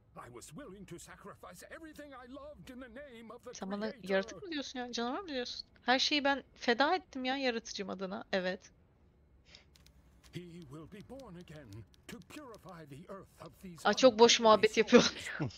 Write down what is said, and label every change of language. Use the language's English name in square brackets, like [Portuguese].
[English] I was willing to sacrifice everything I loved in the name of the creator. [Turkish] Sen bana yaratık mı diyorsun ya? Canavar mı diyorsun? Her şeyi ben feda ettim ya yaratıcım adına. Evet. [English] He will be born again to purify the earth of these. [Turkish] Aa, çok boş muhabbet yapıyorlar.